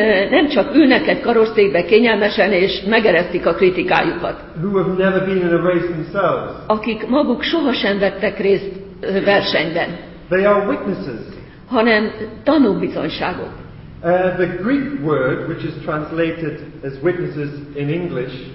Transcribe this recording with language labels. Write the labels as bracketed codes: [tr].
[hu] Nem csak ülnek egy karosszékbe kényelmesen és megeresztik a kritikájukat. [en] Who have never been in a race themselves. [hu] Akik maguk sohasem vettek részt versenyben. [en] They are witnesses. [hu] Hanem tanúbizonyságok. [en] The Greek word, which is translated as witnesses in English.